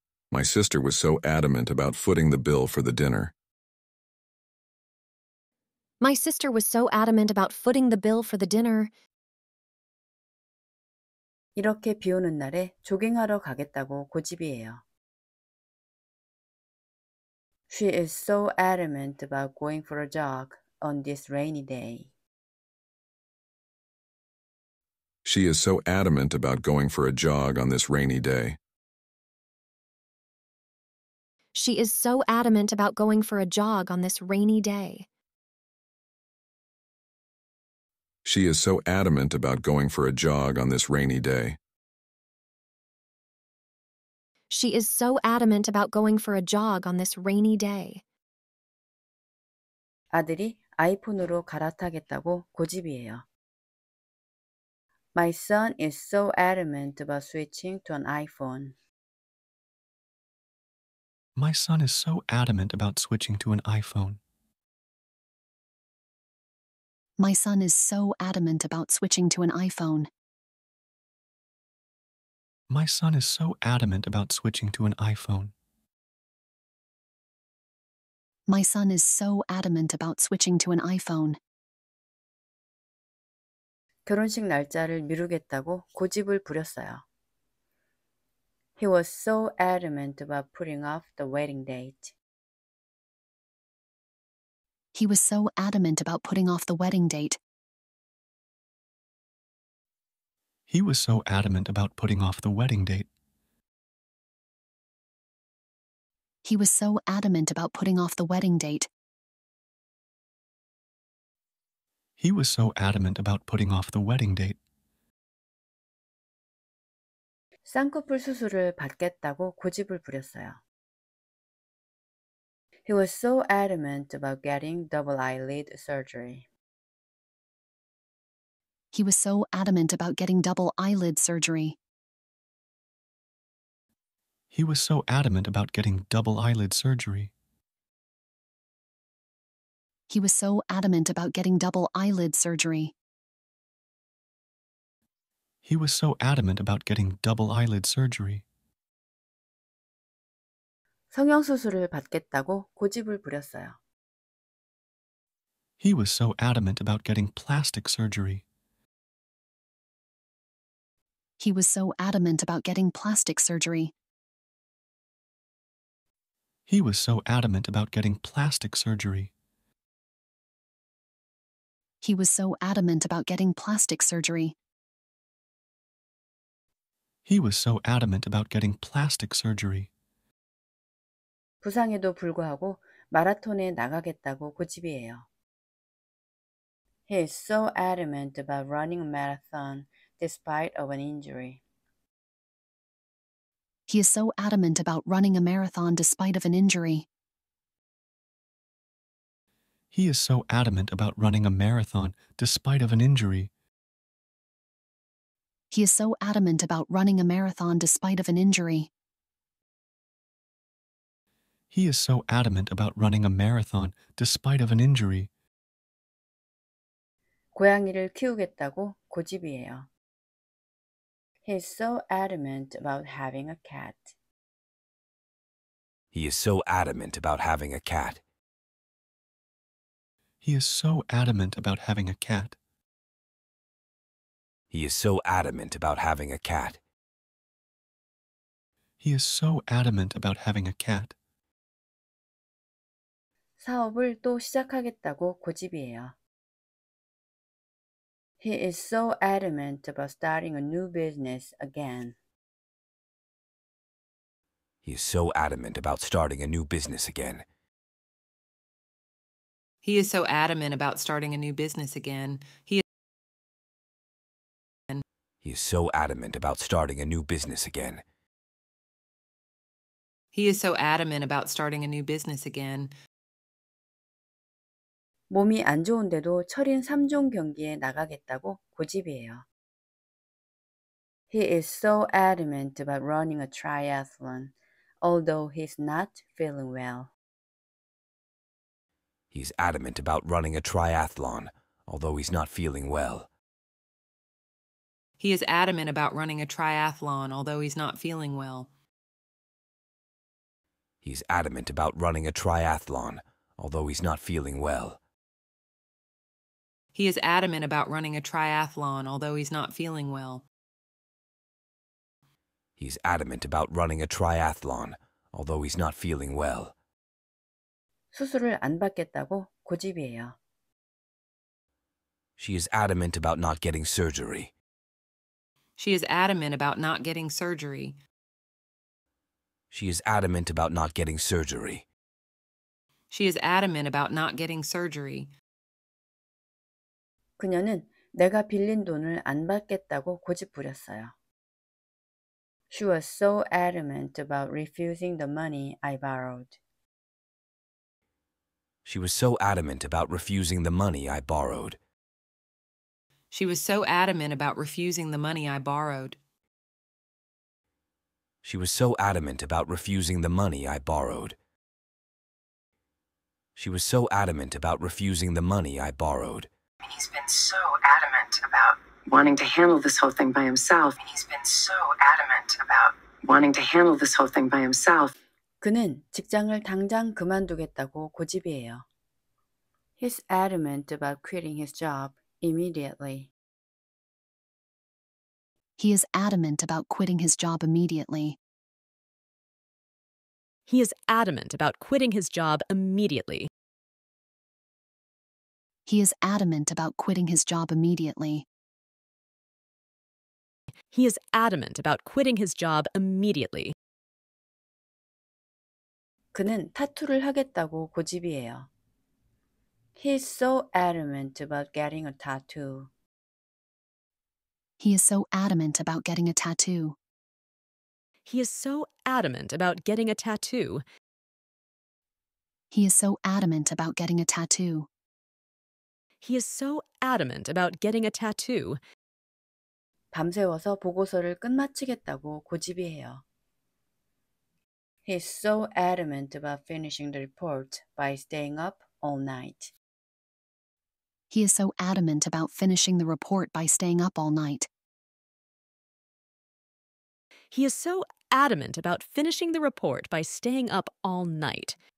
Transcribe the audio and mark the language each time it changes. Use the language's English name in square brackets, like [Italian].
[English] My sister was so adamant about footing the bill for the dinner. My sister was so adamant about footing the bill for the dinner. [Korean] 이렇게 비 오는 날에 조깅하러 가겠다고 고집이에요. [English] She is so adamant about going for a jog on this rainy day. She is so adamant about going for a jog on this rainy day. She is so adamant about going for a jog on this rainy day. She is so adamant about going for a jog on this rainy day. She is so adamant about going for a jog on this rainy day. [Korean] 아들이 아이폰으로 갈아타겠다고 고집이에요. [English] My son is so adamant about switching to an iPhone. My son is so adamant about switching to an iPhone. My son is so adamant about switching to an iPhone. My son is so adamant about switching to an iPhone. My son is so adamant about switching to an iPhone. [Korean] 결혼식 날짜를 미루겠다고 고집을 부렸어요. [English] He was so adamant about putting off the wedding date. He was so adamant about putting off the wedding date. He was so adamant about putting off the wedding date. He was so adamant about putting off the wedding date. He was so adamant about putting off the wedding date. [Korean] 쌍꺼풀 수술을 받겠다고 고집을 부렸어요. [English] He was so adamant about getting double eyelid surgery. He was so adamant about getting double eyelid surgery. He was so adamant about getting double eyelid surgery. He was so adamant about getting double eyelid surgery. He was so adamant about getting double eyelid surgery. [Korean] 성형수술을 받겠다고 고집을 부렸어요. [English] He was so adamant about getting plastic surgery. He was so adamant about getting plastic surgery. He was so adamant about getting plastic surgery. He was so adamant about getting plastic surgery. He was so adamant about getting plastic surgery. [Korean] 부상에도 불구하고 마라톤에 나가겠다고 고집이에요. [English] He is so adamant about running a marathon despite of an injury. He is so adamant about running a marathon despite of an injury. He is so adamant about running a marathon despite of an injury. He is so adamant about running a marathon despite of an injury. He is so adamant about running a marathon despite of an injury. [Korean] 고양이를 키우겠다고 고집이에요. [English] He is so adamant about having a cat. He is so adamant about having a cat. He is so adamant about having a cat. He is so adamant about having a cat. He is so adamant about having a cat. [Korean] 사업을 또 시작하겠다고 고집이에요. [English] He is so adamant about starting a new business again. He is so adamant about starting a new business again. He is so adamant about starting a new business again. He is so adamant about starting a new business again. He is so adamant about starting a new business again. [Korean] 몸이 안 좋은데도 철인 3종 경기에 나가겠다고 고집이에요. [English] He is so adamant about running a triathlon, although he's not feeling well. He's adamant about running a triathlon, although he's not feeling well. He is adamant about running a triathlon, although he's not feeling well. He's adamant about running a triathlon, although he's not feeling well. He is adamant about running a triathlon, although he's not feeling well. He's adamant about running a triathlon, although he's not feeling well. [Korean] 수술을 안 받겠다고 고집이에요. [English] She is adamant about not getting surgery. She is adamant about not getting surgery. She is adamant about not getting surgery. She is adamant about not getting surgery. [Korean] 그녀는 내가 빌린 돈을 안 받겠다고 고집 부렸어요. [English] She was so adamant about refusing the money I borrowed. She was so adamant about refusing the money I borrowed. She was so adamant about refusing the money I borrowed. She was so adamant about refusing the money I borrowed. She was so adamant about refusing the money I borrowed. He's been so adamant about wanting to handle this whole thing by himself. He's been so adamant about wanting to handle this whole thing by himself. [Korean] 그는 직장을 당장 그만두겠다고 고집이에요. [English] He's adamant about quitting his job immediately. He is adamant about quitting his job immediately. He is adamant about quitting his job immediately. He is adamant about quitting his job immediately. He is adamant about quitting his job immediately. [Korean] 그는 타투를 하겠다고 고집이에요. [English] He is so adamant about getting a tattoo. He is so adamant about getting a tattoo. He is so adamant about getting a tattoo. He is so adamant about getting a tattoo. He is so adamant about getting a tattoo. [Korean] 밤새워서 보고서를 끝마치겠다고 고집이에요. [English] He's so adamant about finishing the report by staying up all night. He is so adamant about finishing the report by staying up all night. He is so adamant about finishing the report by staying up all night.